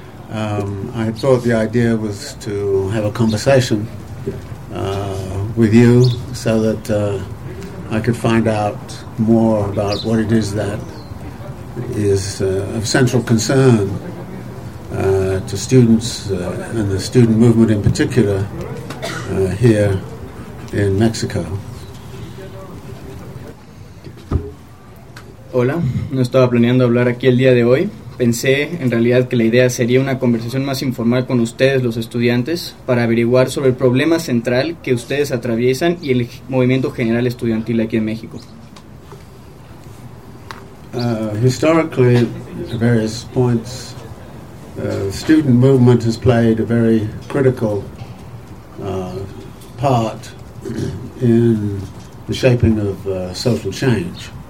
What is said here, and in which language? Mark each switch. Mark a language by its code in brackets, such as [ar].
[en] I thought the idea was to have a conversation with you so that I could find out more about what it is that is of central concern to students and the student movement in particular here in Mexico. [es] Hola, no estaba planeando hablar aquí el día de hoy. Pensé, en realidad, que la idea sería una conversación más informal con ustedes, los estudiantes, para averiguar sobre el problema central que ustedes atraviesan y el movimiento general estudiantil aquí en México. [en] Historically, at various points, the student movement has played a very critical part in the shaping of social change.